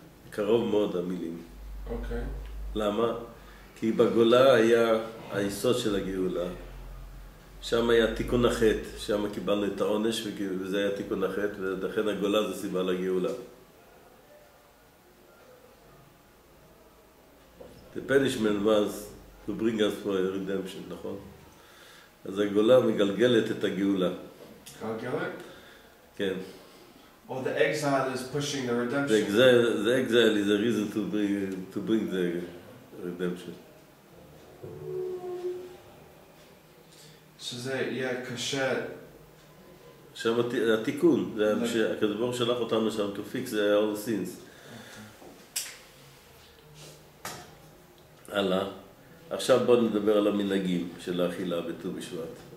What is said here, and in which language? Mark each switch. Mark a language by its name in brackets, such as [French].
[Hebrew] קרוב מאוד המילים. אוקיי. למה? כי בגולה היה היסוד של הגאולה. שם היה תיקון החטא, שם קיבלנו את העונש וזה היה תיקון החטא, ולכן הגולה זה סיבה לגאולה. [English] The punishment was to bring us for a redemption, נכון? [Hebrew] אז הגולה מגלגלת את הגאולה. מגלגלת? כן. [English] Or the exile is pushing the redemption. The exile is a reason to bring the redemption. So [Hebrew] זה יהיה קשה. שם התיקון, הקדוש ברוך הוא שלח אותנו שם [English] to fix all the sins. [Hebrew] הלאה. עכשיו בואו נדבר על המנהגים של האכילה בט"ו בשבט.